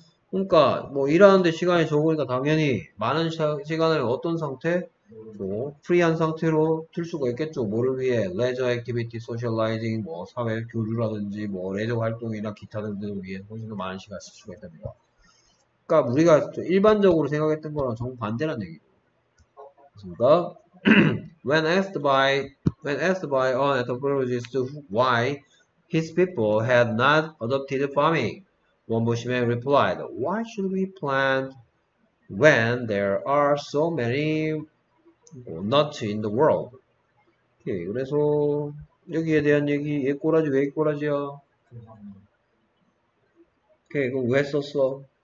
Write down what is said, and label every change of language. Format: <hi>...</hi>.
<ko>그러니까 뭐 일하는데 시간이 적으니까 당연히 많은 시간을 어떤 상태? 뭐 프리한 상태로 틀 수가 있겠죠. 뭐를 위해?</ko> <en>leisure activity, socializing,</en> <ko>뭐 사회 교류라든지 뭐 레저 활동이나 기타 등등을 위해 훨씬 더 많은 시간을 쓸 수가 있답니다. 그러니까 우리가 일반적으로 생각했던 거랑 정반대라는 얘기죠.</ko> <en>그러니까 when asked by an anthropologist why his people had not adopted farming, one Bushman replied, "Why should we plant when there are so many nuts in the world?"</en> <ko>오케이, 그래서 여기에 대한 얘기, 얘 꼬라지 왜이 꼬라지야? 오케이, 그럼 왜 썼어?</ko>